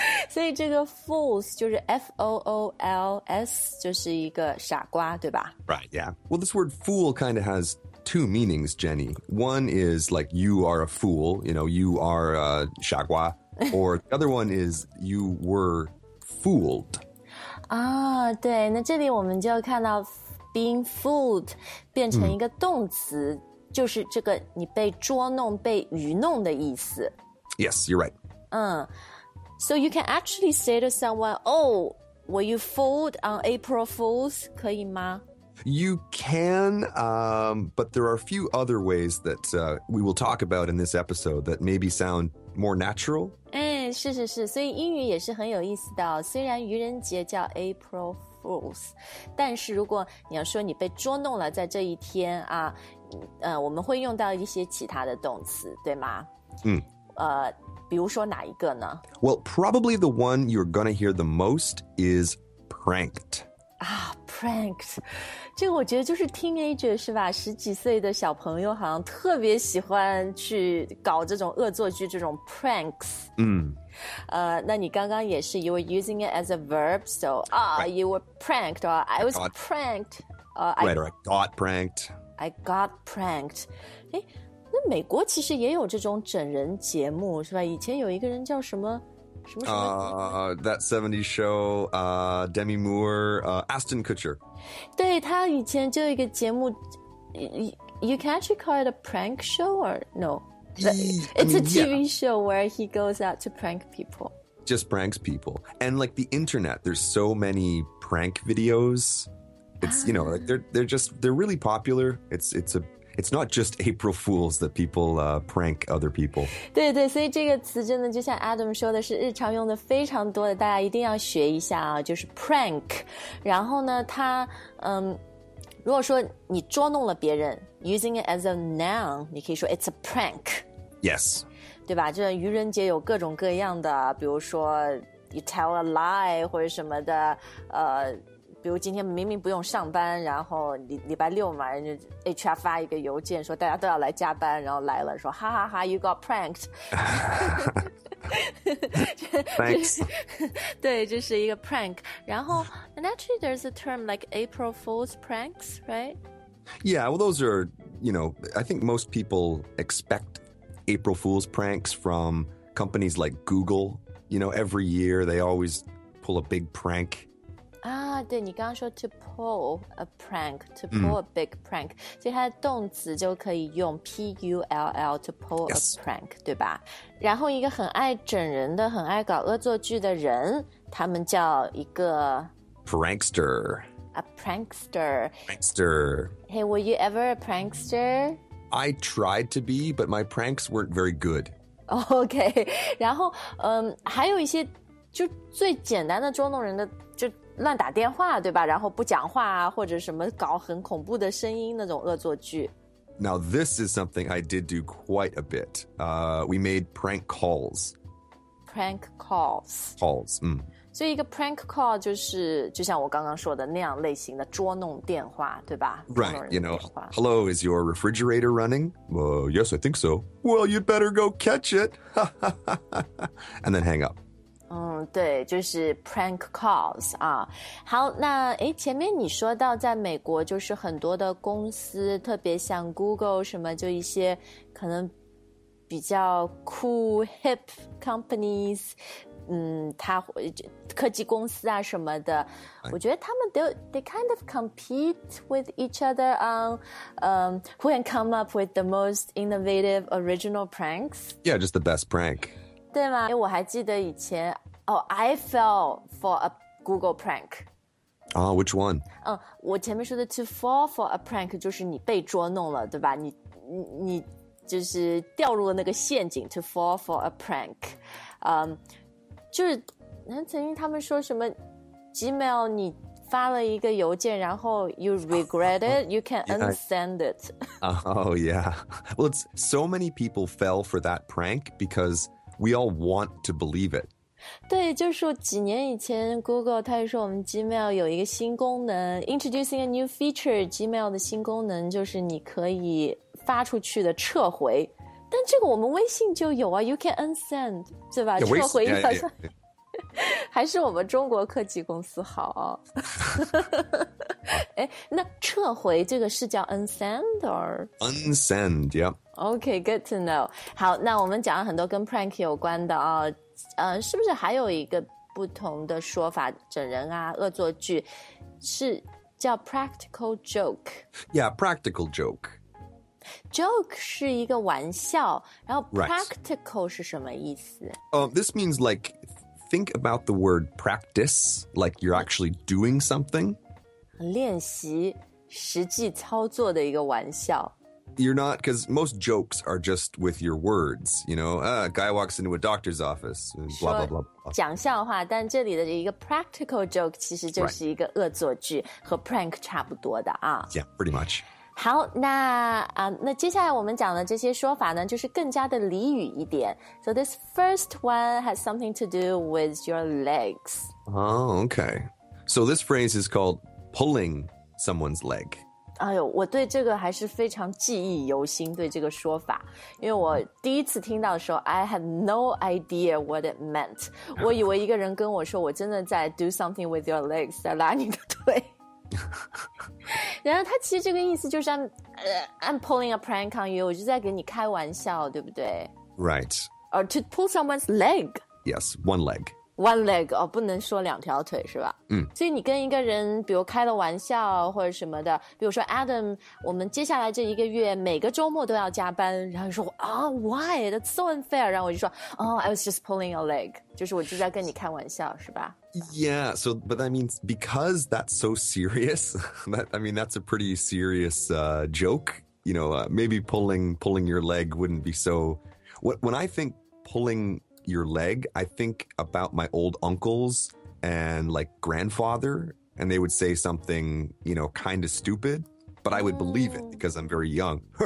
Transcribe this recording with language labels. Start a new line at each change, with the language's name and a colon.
Chinese: 所以这个 Fools 就是 F-O-O-L-S， 就是一个傻瓜，对吧？
English: Right, yeah. Well, this word fool kind of has two meanings, Jenny. One is like you are a fool, you know, you are a 傻瓜. Or the other one is you were fooled.
Chinese: 啊，对，那这里我们就看到 being fooled 变成一个动词，就是这个你被捉弄、被愚弄的意思。
English: Yes, you're right. So you can actually say to someone, oh, were you fooled on April Fool's?
Chinese: 可以吗？
English: You can, but there are a few other ways that we will talk about in this episode that maybe sound more natural.
Chinese: 是是是，所以英语也是很有意思的哦。虽然愚人节叫 April Fool's, 但是如果你要说你被捉弄了在这一天啊，我们会用到一些其他的动词，对吗？比如说哪一个呢？
English: Well, probably the one you're going to hear the most is pranked. Ah, pranked.
Chinese: 这个我觉得就是 teenager, 是吧？十几岁的小朋友好像特别喜欢去搞这种恶作剧，这种 pranks. 那你刚刚也是
English: you were using it as a verb, so, you were pranked, or I was pranked. Or I got pranked. I got pranked.
Chinese: 那美国其实也有这种整人节目，是吧？以前有一个人叫什么什么什么
English: That 70s Show, Demi Moore, Ashton Kutcher.
Chinese: 对，他以前就有一个节目
English: you can actually call it a prank show or no? It's a TV show where he goes out to prank people. Just pranks people. And like the internet, there's so many prank videos. It's, you know, like they're really popular. It's not just April Fools that people prank other people.
Chinese: 对对，所以这个词真的就像 Adam 说的，是日常用的非常多的，大家一定要学一下啊，就是 prank. 然后呢，它如果说你捉弄了别人 ，
English: using it as a noun,
Chinese: 你可以说
English: it's a prank. Yes.
Chinese: 对吧？就像愚人节有各种各样的，比如说 you tell a lie 或者什么的，比如今天明明不用上班，然后礼拜六嘛，人家 HR 发一个邮件说大家都要来加班，然后来了说哈哈哈 ，
English: You got pranked. Thanks.
Chinese: 对，这是一个 prank. 然后
English: ，and actually there's a term like April Fool's pranks, right? Yeah, well, those are, you know, I think most people expect April Fool's pranks from companies like Google. You know, every year they always pull a big prank.
Chinese: 对，你刚刚说
English: to pull a prank, to pull a big prank,
Chinese: 所以它的动词就可以用
English: P-U-L-L, to pull a prank,
Chinese: 对吧？然后一个很爱整人的，很爱搞恶作剧的人，他们叫一个
English: prankster. A prankster. Prankster. Hey, were you ever a prankster? I tried to be, but my pranks weren't very good. Okay,
Chinese: 然后还有一些就最简单的捉弄人的就乱打电话，对吧？然后不讲话啊，或者什么搞很恐怖的声音那种恶作剧。
English: Now this is something I did do quite a bit. We made prank calls. Prank calls. Calls. 嗯。
Chinese: 所以一个 prank call 就是就像我刚刚说的那样类型的捉弄电话，对吧
English: ？Right. You know. Hello, is your refrigerator running? Yes, I think so. Well, you'd better go catch it. And then hang up.
Chinese: 对，就是 prank calls 啊。好，那前面你说到在美国就是很多的公司特别像 Google 什么就一些可能比较
English: cool hip companies
Chinese: 它科技公司啊什么的、right.
English: 我觉得他们都 they kind of compete with each other on who can come up with the most innovative original pranks yeah just the best prank
Chinese: 对吗我还记得以前
English: Oh, I fell for a Google prank. Oh, which one?
Chinese: 我前面说的 to fall for a prank 就是你被捉弄了，对吧？你就是掉入了那个陷阱 to fall for a prank. 就是曾经他们说什么 Gmail 你发了一个邮件，然后
English: you regret it, you can unsend it. Oh yeah. Well, it's so many people fell for that prank because we all want to believe it.
Chinese: 对，就是几年以前 ，Google 它也说我们 Gmail 有一个新功能 ，
English: introducing a new feature.
Chinese: Gmail 的新功能就是你可以发出去的撤回，但这个我们微信就有啊 ，
English: you can unsend，
Chinese: 对吧？
English: Yeah,
Chinese: 撤回好像
English: yeah.
Chinese: 还是我们中国科技公司好啊。那撤回这个是叫
English: unsend or unsend？ Yep. Okay, good to know.
Chinese: 好，那我们讲了很多跟 prank 有关的啊。是不是还有一个不同的说法整人啊恶作剧是叫 practical joke
English: yeah practical joke
Chinese: joke 是一个玩笑然后 practical、right. 是什么意思、
English: this means like think about the word practice like you're actually doing something
Chinese: 练习实际操作的一个玩笑
English: You're not, because most jokes are just with your words, you know, a guy walks into a doctor's office, blah, blah, blah, blah.
Chinese: 讲笑话但这里的一个 practical joke 其实就是一个恶作剧、right. 和 prank 差不多的啊。
English: Yeah, pretty much.
Chinese: 好那、那接下来我们讲的这些说法呢就是更加的俚语一点。
English: So this first one has something to do with your legs. Oh, okay. So this phrase is called pulling someone's leg.
Chinese: 哎呦，我对这个还是非常记忆犹新，对这个说法，因为我第一次听到的时候 ，
English: I had no idea what it meant。
Chinese: 我以为一个人跟我说，我真的在
English: do something with your legs，
Chinese: 在拉你的腿。然后他其实这个意思就是
English: I'm pulling a prank on you，
Chinese: 我就在给你开玩笑，对不对
English: ？Right. Or to pull someone's leg. Yes, one leg. One leg,
Chinese: 哦，不能说两条腿是吧？嗯。所以你跟一个人，比如开了玩笑或者什么的，比如说 Adam, 我们接下来这一个月每个周末都要加班，然后说啊、
English: oh, ，Why? That's so unfair.
Chinese: 然后我就说，哦、
English: oh, ，I was just pulling your leg,
Chinese: 就是我就在跟你开玩笑，是吧
English: ？Yeah. So, but that means because that's so serious. That I mean, that's a pretty serious joke. You know, maybe pulling your leg wouldn't be so. When I think pulling. Your leg, I think about my old uncles and like grandfather, and they would say something, you know, kind of stupid, but I would believe it because I'm very young.